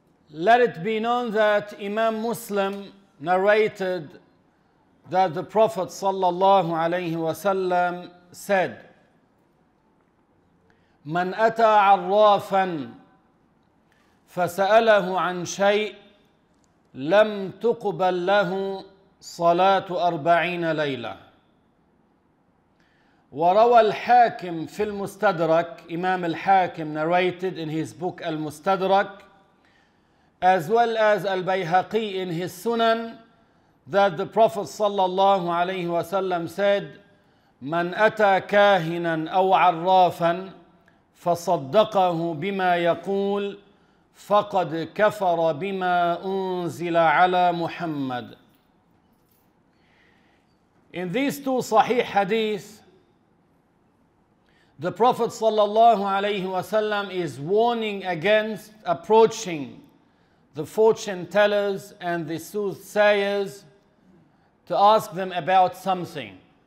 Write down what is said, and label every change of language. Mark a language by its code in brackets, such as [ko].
[en] Let it be known that Imam Muslim narrated that the Prophet sallallahu alayhi wa sallam said, [ar] من أتى عرافا فسأله عن شيء لم تقبل له صلاة أربعين ليلة. وروى الحاكم في المستدرك, إمام الحاكم [en] narrated in his book [ar] المستدرك, [en] as well as [ar] البيهقي [en] in his Sunan, that the Prophet [ar] صلى الله عليه وسلم [en] said, [ar] من أتى كاهنا أو عرافا فصدقه بما يقول فقد كفر بما أنزل على محمد. [en] In these two sahih hadith, the Prophet sallallahu alayhi wa sallam is warning against approaching the fortune tellers and the soothsayers to ask them about something.